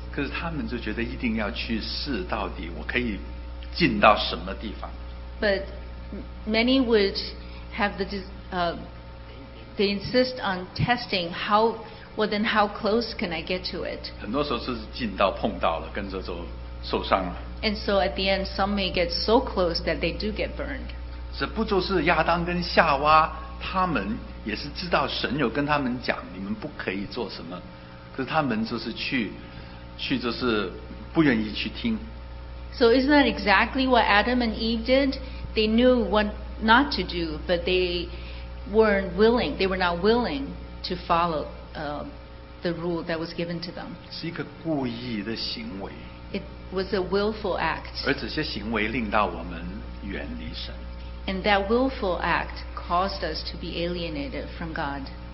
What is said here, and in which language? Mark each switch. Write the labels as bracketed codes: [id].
[zh] 可是他们就觉得一定要去试到底我可以进到什么地方 [en] ButMany would have they insist on testing how well then how close can I get to it? [zh] 很多时候是近到碰到了，跟着就受伤了。 [en] And so at the end, some may get so close that they do get burned. [zh] 这不就是亚当跟夏娃他们也是知道神有跟他们讲你们不可以做什么，可是他们就是去就是不愿意去听。 [en] So isn't that exactly what Adam and Eve did? They knew what not to do, but they weren't willing. They were not willing to follow the rule that was given to them. [zh] 是一个故意的行为。 [en] It was a willful act. [zh] 而这些行为令到我们远离神。 [en] And that willful act caused us to be alienated from God.